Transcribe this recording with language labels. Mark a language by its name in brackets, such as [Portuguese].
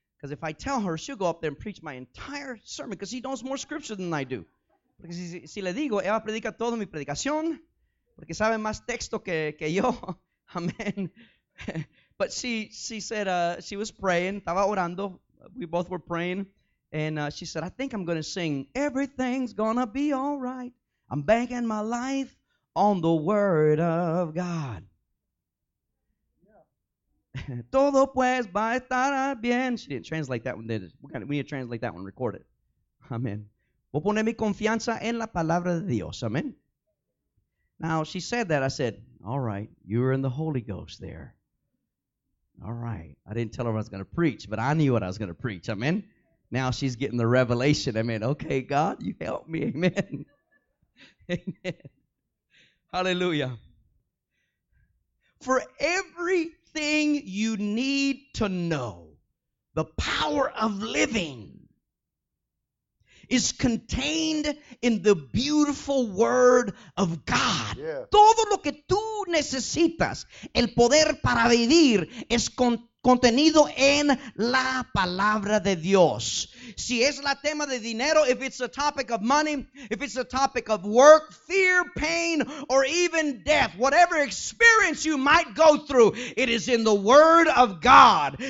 [English] Because if I tell her, she'll go up there and preach my entire sermon. Because she knows more scripture than I do. [Spanish] Porque si le digo, ella predica toda mi predicación. Porque sabe más texto que yo. Amen. [English] But she said she was praying, [Spanish] estaba orando, [English] we both were praying, and she said, I think I'm going to sing, everything's going to be all right, I'm banking my life on the word of God. [Spanish] Yeah. Todo pues va a estar bien. [English] She didn't translate that one, did it? We need to translate that one, record it. Amen. [Spanish] Voy a poner mi confianza en la palabra de Dios. Amen. [English] Now, she said that, I said, all right, you're in the Holy Ghost there. All right. I didn't tell her what I was going to preach, but I knew what I was going to preach. Amen. Now she's getting the revelation. Amen. Okay, God, you help me. Amen. Amen. Hallelujah. For everything you need to know, the power of living is contained in the beautiful word of God. Yeah. [Spanish] Todo lo que tú necesitas, el poder para vivir, es contenido en la palabra de Dios. Si es la tema de dinero, [English] if it's a topic of money, if it's a topic of work, fear, pain, or even death, whatever experience you might go through, it is in the word of God.